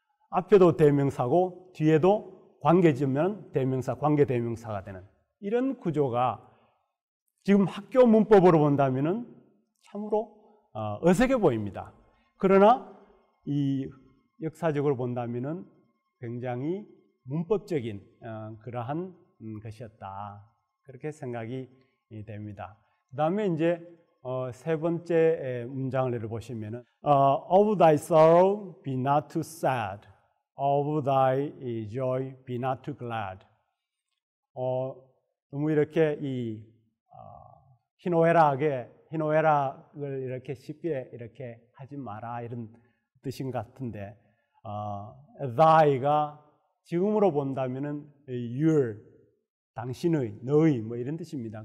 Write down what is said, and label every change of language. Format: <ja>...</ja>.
<ko>앞에도 대명사고 뒤에도 관계지면 대명사 관계대명사가 되는 이런 구조가 지금 학교 문법으로 본다면은 참으로 어색해 보입니다. 그러나 이 역사적으로 본다면은 굉장히 문법적인 그러한 것이었다 그렇게 생각이 됩니다. 그다음에 이제 세 번째 문장을 보시면은</ko> <en>of thy sorrow be not too sad, of thy joy be not too glad.</en> <ko>너무 이렇게 이 희노애락하게 희노애락을 이렇게 쉽게 이렇게 하지 마라 이런 뜻인 것 같은데 thy가 지금으로 본다면은 your 당신의, 너의 뭐 이런 뜻입니다.</ko>